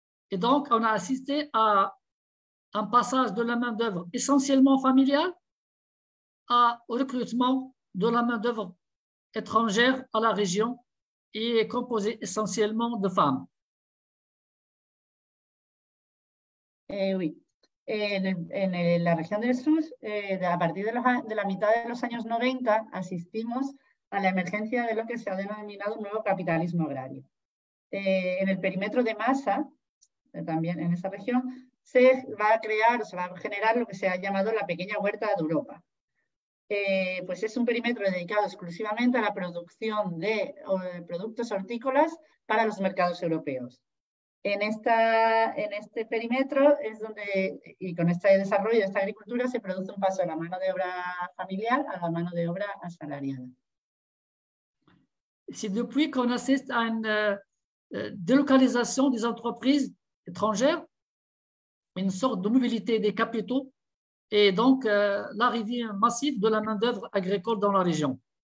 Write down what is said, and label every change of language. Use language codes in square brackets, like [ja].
[fr] Et donc, on a assisté à un passage de la main-d'œuvre essentiellement familiale à au recrutement de la main-d'œuvre étrangère à la région et composée essentiellement de femmes. Eh, oui. [es] En la región del sur, a partir de la mitad de los años 90, asistimos a la emergencia de lo que se ha denominado un nuevo capitalismo agrario. En el perímetro de Massa, también en esa región, se va a crear, se va a generar lo que se ha llamado la pequeña huerta de Europa. Pues es un perímetro dedicado exclusivamente a la producción de productos hortícolas para los mercados europeos. En este perímetro es donde, y con este desarrollo de esta agricultura, se produce un paso de la mano de obra familiar a la mano de obra asalariada. [fr] C'est depuis qu'on assiste à une délocalisation des entreprises étrangères, une sorte de mobilité des capitaux, et donc l'arrivée massive de la main-d'œuvre agricole dans la région.